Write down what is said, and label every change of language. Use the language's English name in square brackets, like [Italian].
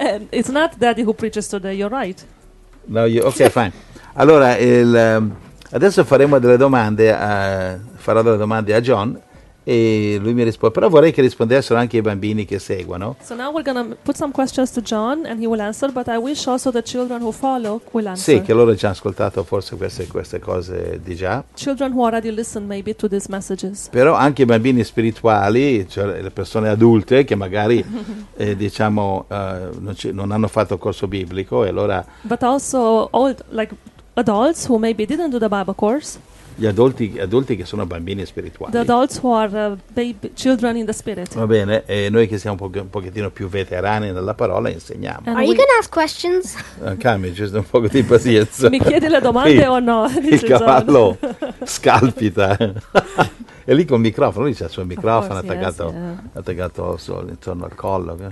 [English] It's not daddy who preaches today, you're right. No, you, ok, fine. [Italian] Allora, adesso faremo delle domande, farò delle domande a John e lui mi risponde. Però vorrei che rispondessero anche i bambini che seguono. [English] So now we're gonna put some questions to John and he will answer, but I wish also the children who follow will answer. [Italian] Sì, che loro già hanno ascoltato forse queste cose di già. [English] Children who already listened maybe to these messages. [Italian] Però anche i bambini spirituali, cioè le persone adulte che magari diciamo non hanno fatto corso biblico e allora. [English] But also old, like adults who maybe didn't do the Bible course. [Italian] Gli adulti che sono bambini spirituali. [English] The adults who are baby children in the spirit. [Italian] Va bene, e noi che siamo un pochettino più veterani nella parola insegniamo. [English] And are you going to ask questions? [Italian] Calmi, just un po' di pazienza. Mi chiedi le domande o no? Il cavallo scalpita. E lì con il microfono, lì c'è il suo microfono attaccato intorno al collo.